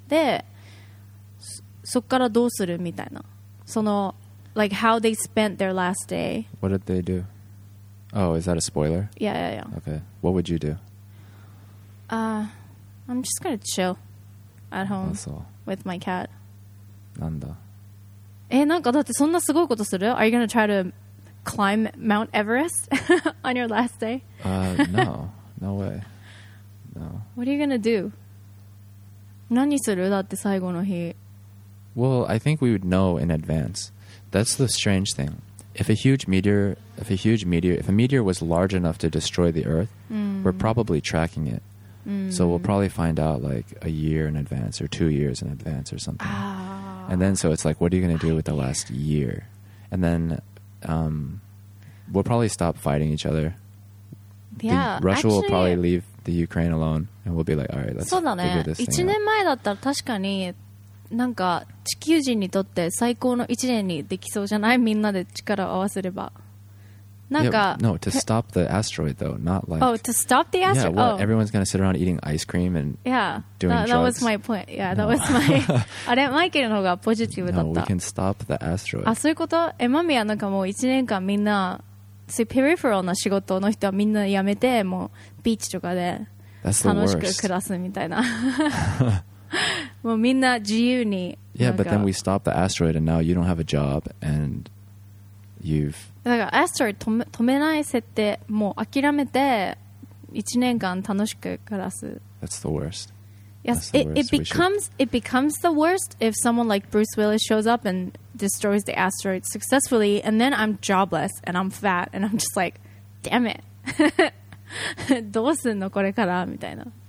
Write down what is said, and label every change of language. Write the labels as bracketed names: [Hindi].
[Japanese] で、そっからどうするみたいな。その、 [English] like how they spent their last day. What did they do? Oh, is that a spoiler? Yeah, yeah, yeah. Okay. What would you do? I'm just gonna chill at home. That's all. With my cat. [Japanese] なんだ? なんかだってそんなすごいことする? [English] Are you gonna try to climb Mount Everest on your last day? No. No way. No. What are you gonna do? [Japanese] 何する?だって最後の日。 [English] Well, I think we would know in advance. That's the strange thing. If a meteor was large enough to destroy the Earth, we're probably tracking it. So we'll probably find out like a year in advance or 2 years in advance or something. Oh. And then so it's like, what are you going to do with the last year? And then we'll probably stop fighting each other. Yeah, Russia will probably leave the Ukraine alone and we'll be like, all right, let's figure this thing out. [Japanese] 1年前だったら確かになんか地球人にとって最高の1年にできそうじゃない?みんなで力を合わせれば。なんか [English] yeah, no, to stop the asteroid though, not like... Oh, to stop the asteroid? Yeah, well, Everyone's going to sit around eating ice cream and yeah, doing that, drugs. That was my point. Yeah, that was my... [Japanese] あれ、マイケルの方がポジティブだった。 [English] No, we can stop the asteroid. [Japanese] あ、そういうこと? え、マミアなんかもう1年間みんな、そういうペリフェラルな仕事の人はみんな辞めて、もうビーチとかで楽しく暮らすみたいな。 [English] Yeah, but then we stop the asteroid and now you don't have a job and you've... [Japanese] だから、asteroid 止めない設定、もう諦めて1年間楽しく暮らす。 [English] That's the worst. Yes, it becomes the worst if someone like Bruce Willis shows up and destroys the asteroid successfully and then I'm jobless and I'm fat and I'm just like, damn it. [Japanese] どうすんのこれからみたいな。